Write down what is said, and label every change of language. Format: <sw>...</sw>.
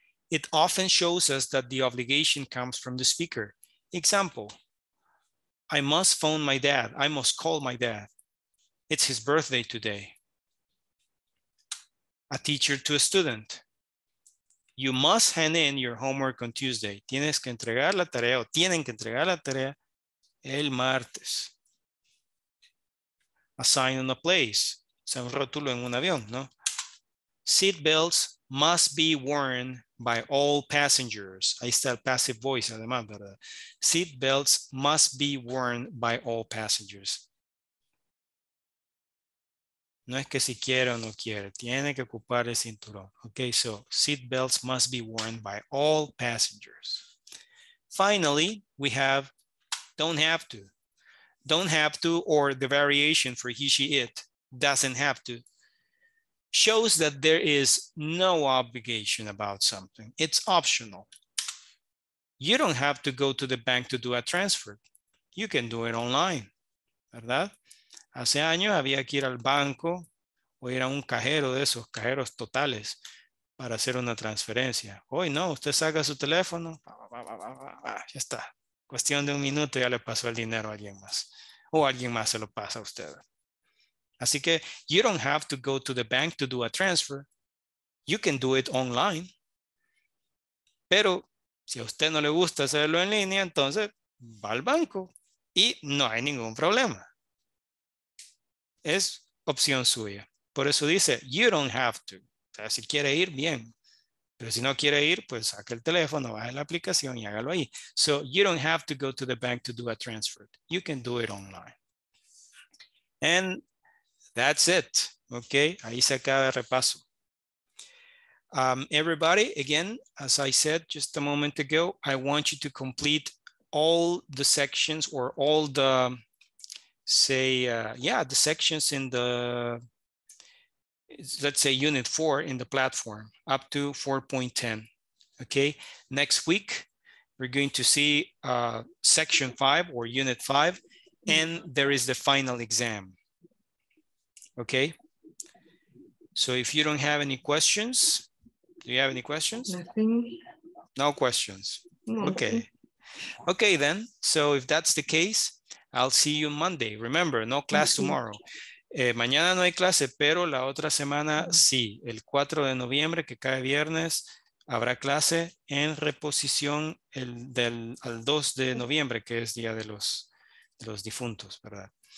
<en>It often shows us that the obligation comes from the speaker. Example, I must phone my dad. I must call my dad. It's his birthday today. A teacher to a student. You must hand in your homework on Tuesday.</en> <es>Tienes que entregar la tarea o tienen que entregar la tarea el martes.</es> <en>A sign on a place.</en> <es>O sea, un rótulo en un avión, ¿no?</es> <en>Seat belts must be worn by all passengers.</en> <es>Ahí está el passive voice, además, ¿verdad?</es> <en>Seat belts must be worn by all passengers.</en> <es>No es que si quiere o no quiere, tiene que ocupar el cinturón.</es> <en>Okay, so seat belts must be worn by all passengers. Finally, we have don't have to. Don't have to, or the variation for he, she, it, doesn't have to, shows that there is no obligation about something. It's optional. You don't have to go to the bank to do a transfer. You can do it online, ¿verdad?</en> <es>Hace años había que ir al banco o ir a un cajero de esos cajeros totales para hacer una transferencia. Hoy no, usted saca su teléfono, ya está. Cuestión de un minuto ya le pasó el dinero a alguien más. O alguien más se lo pasa a usted. Así que</es> <en>you don't have to go to the bank to do a transfer. You can do it online.</en> <es>Pero si a usted no le gusta hacerlo en línea, entonces va al banco y no hay ningún problema. Es opción suya. Por eso dice,</es> <en>you don't have to.</en> <es>O sea, si quiere ir, bien. Pero si no quiere ir, pues saque el teléfono, baje la aplicación y hágalo ahí.</es> <en>So, you don't have to go to the bank to do a transfer. You can do it online. And that's it. Okay,</en> <es>ahí se acaba el repaso.</es> <en>Everybody, again, as I said just a moment ago, I want you to complete all the sections or all the... the sections in the, let's say unit 4 in the platform up to 4.10. Okay, next week we're going to see section 5 or unit 5, and there is the final exam. Okay, so if you don't have any questions, do you have any questions? Nothing. No questions. No. Okay, then, so if that's the case, I'll see you Monday. Remember, no class tomorrow.</en> <es>Mañana no hay clase, pero la otra semana sí. El 4 de noviembre, que cae viernes, habrá clase en reposición al 2 de noviembre, que es día de los difuntos, ¿verdad?</es>